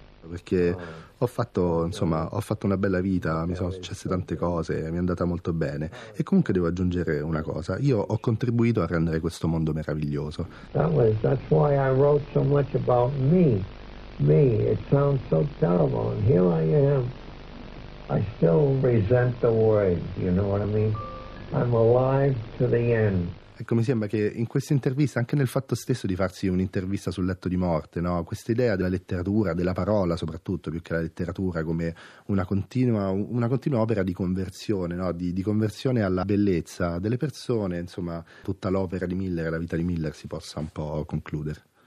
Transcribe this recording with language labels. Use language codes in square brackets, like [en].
[it] Perché ho fatto una bella vita, mi sono successe tante cose, mi è andata molto bene. E comunque devo aggiungere una cosa: io ho contribuito a rendere questo mondo meraviglioso. [en] That's why I wrote so much about me. Me, it sounds so terrible, and here I am. I still resent the word, you know what I mean? I'm alive to the end. [it] Ecco, mi sembra che in questa intervista, anche nel fatto stesso di farsi un'intervista sul letto di morte, no? Questa idea della letteratura, della parola soprattutto, più che la letteratura, come una continua opera di conversione, no? di conversione alla bellezza delle persone, insomma, tutta l'opera di Miller, la vita di Miller si possa un po' concludere.